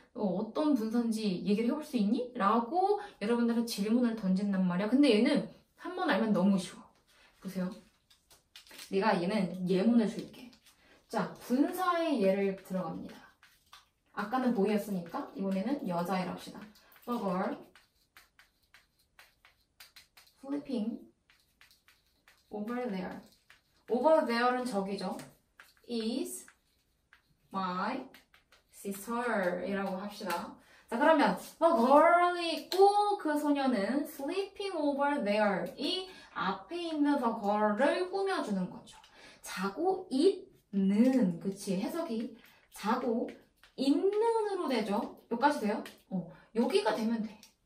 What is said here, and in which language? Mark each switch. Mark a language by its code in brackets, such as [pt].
[ko] 어떤 분사인지 얘기를 해볼 수 있니? 라고 여러분들한테 질문을 던진단 말이야. 근데 얘는 한번 알면 너무 쉬워. 보세요. 내가 얘는 예문을 줄게. 자, 분사의 예를 들어갑니다. 아까는 boy였으니까 이번에는 여자애 합시다. [en] The girl flipping over there. Over there [ko] 는 저기죠. [en] Is my sister [ko] 이라고 합시다. 자, 그러면 the girl이 있고 그 소녀는 [en] sleeping over there [ko] 이 앞에 있는 the girl을 꾸며주는 거죠. 자고 있는, 그치? 해석이 자고 있는으로 되죠. 여기까지 돼요? 여기가 되면 돼.